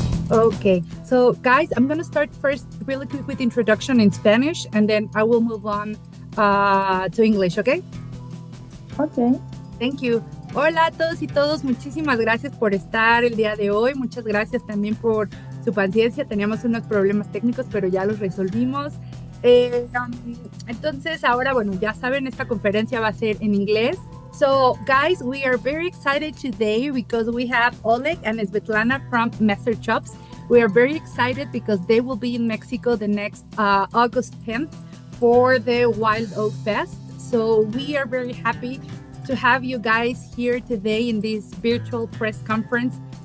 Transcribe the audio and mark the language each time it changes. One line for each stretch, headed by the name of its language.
English: Okay, so guys, I'm gonna start first really quick with introduction in Spanish, and then I will move on to English, okay? Okay. Thank you.
Spanish: Hola a todos y todos, muchísimas gracias por estar el día de hoy. Muchas gracias también por su paciencia. Teníamos unos problemas técnicos, pero ya los resolvimos. Entonces, ahora, bueno, ya saben, esta conferencia va a ser en inglés.
English: So, guys, we are very excited today because we have Oleg and Svetlana from MESSER CHUPS. We are very excited because they will be in Mexico the next August 10th for the Wild Oak Fest. So we are very happy to have you guys here today in this virtual press conference.